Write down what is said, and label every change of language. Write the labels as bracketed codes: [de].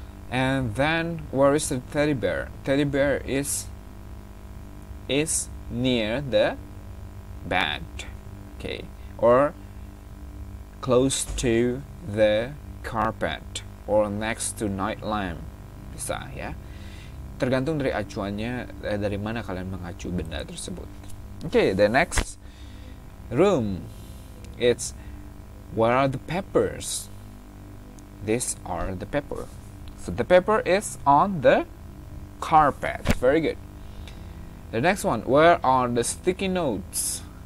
[en] And then, where is the teddy bear? Teddy bear is near the bed, okay, or close to the carpet, or next to night lamp, [id] bisa ya. Tergantung dari acuannya, dari mana kalian mengacu benda tersebut. [en] Okay, the next room, it's where are the peppers? These are the pepper. So the pepper is on the carpet. Very good. The next one, where are the sticky notes?